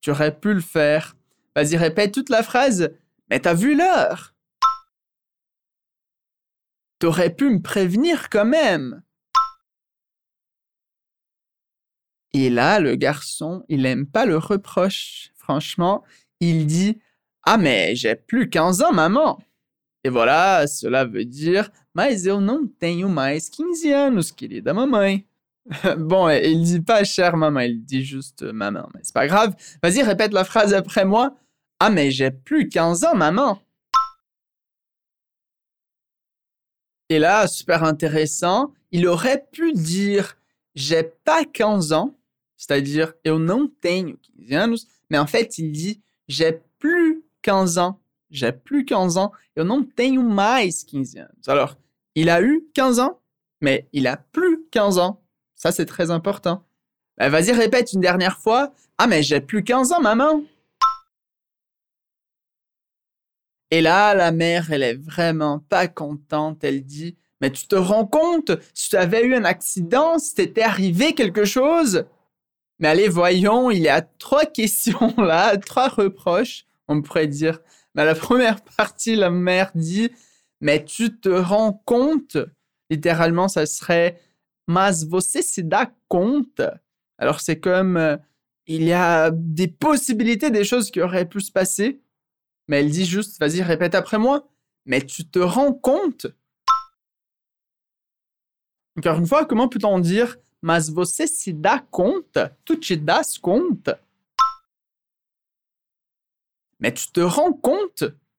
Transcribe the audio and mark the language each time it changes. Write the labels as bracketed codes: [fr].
[fr] Tu aurais pu le faire. Vas-y, répète toute la phrase. « Mais t'as vu l'heure ?»« T'aurais pu me prévenir quand même !» Et là, le garçon, il n'aime pas le reproche, franchement. Il dit « Ah, mais j'ai plus 15 ans, maman !» Et voilà, cela veut dire [pt] « Mas eu não tenho mais 15 anos, querida mamãe !» [fr] Bon, il ne dit pas « chère maman », il dit juste « maman », mais c'est pas grave. Vas-y, répète la phrase après moi. « Ah, mais j'ai plus 15 ans, maman !» Et là, super intéressant, il aurait pu dire « J'ai pas 15 ans, c'est-à-dire [pt] eu não tenho 15 anos, [fr] mais en fait il dit j'ai plus 15 ans, j'ai plus 15 ans, [pt] eu não tenho mais 15 anos. [fr] Alors, il a eu 15 ans, mais il a plus 15 ans. Ça c'est très important. Ben, vas-y, répète une dernière fois. Ah, mais j'ai plus 15 ans, maman. Et là, la mère, elle est vraiment pas contente, elle dit. Mais tu te rends compte, si tu avais eu un accident, si t'était arrivé quelque chose? Mais allez, voyons, il y a trois questions là, trois reproches, on pourrait dire. Mais la première partie, la mère dit, mais tu te rends compte? Littéralement, ça serait, [pt] mas você se dá conta? [fr] Alors c'est comme, il y a des possibilités, des choses qui auraient pu se passer. Mais elle dit juste, vas-y, répète après moi, mais tu te rends compte? Encore une fois, comment peut-on dire « [pt] Mas você se dá conta ?»« Tu te das conta [fr] ?»« Mais tu te rends compte ?»